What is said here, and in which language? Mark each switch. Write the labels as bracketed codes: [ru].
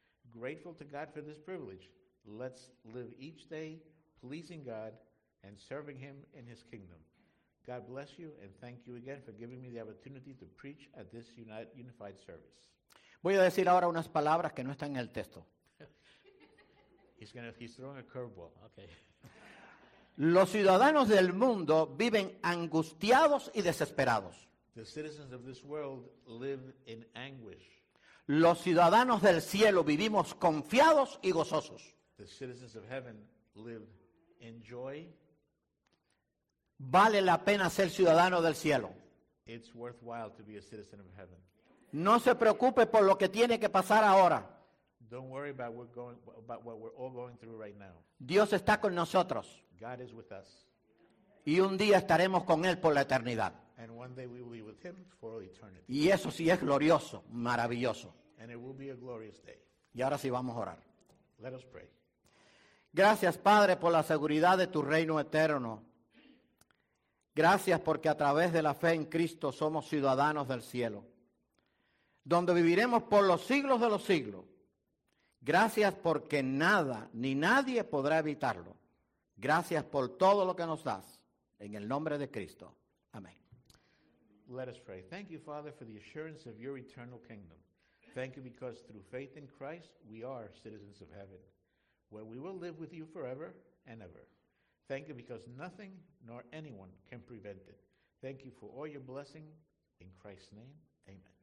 [en] Grateful to God for this privilege, let's live each day pleasing God and serving Him in His kingdom. God bless you, and thank you again for giving me the opportunity to preach at this unified service. [es] Voy a decir ahora unas palabras que no están en el texto. [en] He's throwing a curveball. Okay. [es] Los ciudadanos del mundo viven angustiados y desesperados. [en] The citizens of this world live in anguish. [es] Los ciudadanos del cielo vivimos confiados y gozosos. [en] The citizens of heaven live in joy. [es] Vale la pena ser ciudadano del cielo. [en] It's worthwhile to be a citizen of heaven. [es] No se preocupe por lo que tiene que pasar ahora. [en] Don't worry about what we're all going through right now. [es] Dios está con nosotros. [en] God is with us. [es] Y un día estaremos con Él por la eternidad. [en] And one day we will be with Him for eternity. [es] Y eso sí es glorioso, maravilloso. [en] And it will be a glorious day. [es] Y ahora sí vamos a orar. [en] Let us pray. [es] Gracias, Padre, por la seguridad de tu reino eterno. Gracias porque a través de la fe en Cristo somos ciudadanos del cielo, donde viviremos por los siglos de los siglos. Gracias porque nada ni nadie podrá evitarlo. Gracias por todo lo que nos das. En el nombre de Cristo. Amén. [en] Let us pray. Thank you, Father, for the assurance of your eternal kingdom. Thank you because through faith in Christ, we are citizens of heaven, where we will live with you forever and ever. Thank you because nothing nor anyone can prevent it. Thank you for all your blessing. In Christ's name, amen.